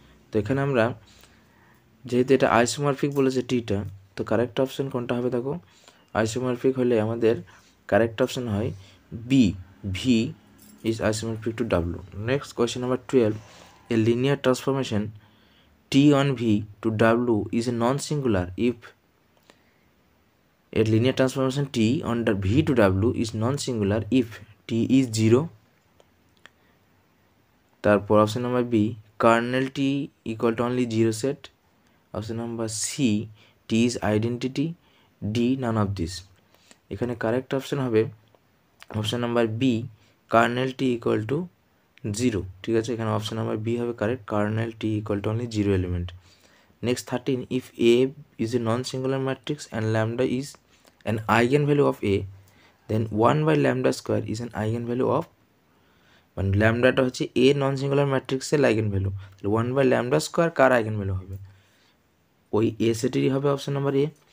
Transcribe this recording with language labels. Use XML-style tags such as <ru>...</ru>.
<bn>তো এখানে আমরা যেহেতু এটা আইসোমরফিক বলেছে টিটা, তো কারেক্ট অপশান কোনটা হবে দেখো? আইসোমরফিক হলে আমাদের কারেক্ট অপশান হয় B,</bn> <en>V is isomorphic to W. Next question number twelve, a linear transformation T on V to W is a non singular if A linear transformation T under V to W is non-singular if T is 0. Therefore, option number B, kernel T equal to only 0 set. Option number C, T is identity. D, none of this. এখানে correct option হবে option number B, kernel T equal to 0.</en> <bn>ঠিক আছে, এখানে</bn> <en>option number B হবে correct, kernel T equal to only 0 element. Next 13, if A is a non-singular matrix and lambda is an eigenvalue of A, then 1 by lambda square is an eigenvalue of,</en> <bn>মানে ল্যামডাটা হচ্ছে এ non singular ম্যাট্রিক্সের eigen value, তাহলে 1 by lambda square car eigen value হবে, ওই এ সেটেরই হবে option number A.</bn>